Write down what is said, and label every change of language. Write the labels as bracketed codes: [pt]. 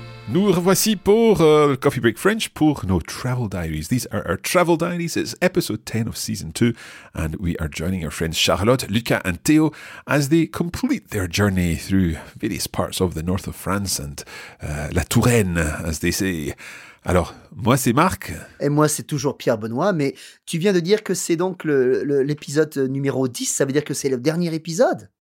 [fr] Nous revoici pour Coffee Break French pour nos [en] travel diaries. These are our travel diaries. It's episode 10 of season 2, and we are joining our friends Charlotte, Lucas and Théo as they complete their journey through various parts of the north of France and La Touraine, as they say. [fr] Alors, moi c'est Marc. Et moi c'est toujours Pierre-Benoît, mais tu viens de dire que c'est donc l'épisode numéro 10, ça veut dire que c'est le dernier épisode?